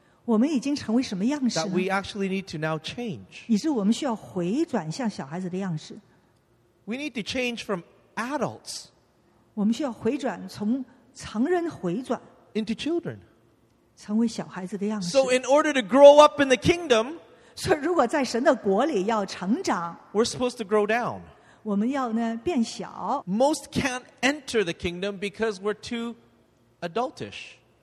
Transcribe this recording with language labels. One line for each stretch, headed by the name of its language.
Chinese: 我们已经成为什么样式呢？
English: That we actually need to now change.
Chinese: 以致我们需要回转向小孩子的样式。
English: We need to change from adults.
Chinese: 我们需要回转从成人回转。
English: Into children.
Chinese: 成为小孩子的样式。
English: So in order to grow up in the kingdom,
Chinese: 所以如果在神的国里要成长,
English: we're supposed to grow down.
Chinese: 我们要呢变小。
English: Most can't enter the kingdom because we're too adultish.